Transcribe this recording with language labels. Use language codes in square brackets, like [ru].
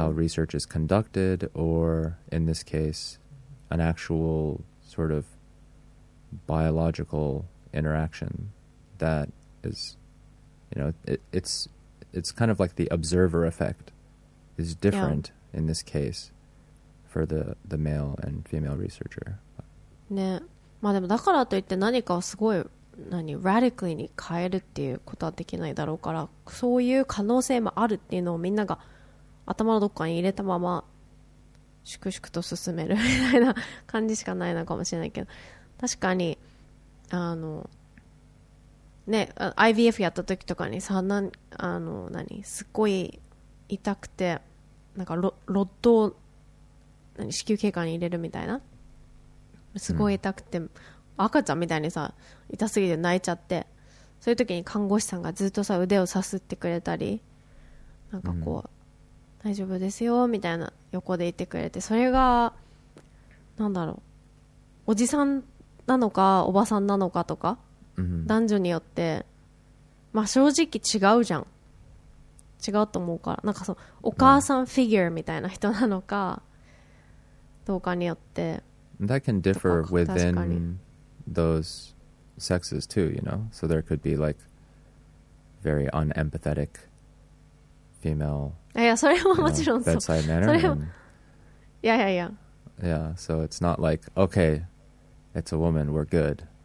[en] how research is conducted or in this case an actual sort of biological interaction that is, you know, it's kind of like the observer effect is different、yeah. in this case for the male and female researcher. [ja] Yeah.、ねまあ、でもだからといって何かをすごい何ラディカルに変えるっていうことはできないだろうから、そういう可能性もあるっていうのをみんなが頭のどっかに入れたまま粛々と進めるみたいな感じしかないのかもしれないけど、確かにあのね IVF やった時とかにさ、なんあの何すっごい痛くてなんか ロッドを何子宮頸管に入れるみたいな、すごい痛くて、うん、赤ちゃんみたいにさ痛すぎて泣いちゃって、そういう時に看護師さんがずっとさ腕をさすってくれたり、なんかこう、うん、大丈夫ですよみたいな横でいてくれて、それがなんだろう、おじさんなのかおばさんなのかとか、うん、男女によってまあ正直違うじゃん、違うと思うから、なんかそうお母さんフィギュアみたいな人なのか、うん、どうかによって [en] That can differ within those sexes too, you know? So there could be like very unempathetic female bedside manner. Yeah. So it's not like, okay, it's a woman, we're good.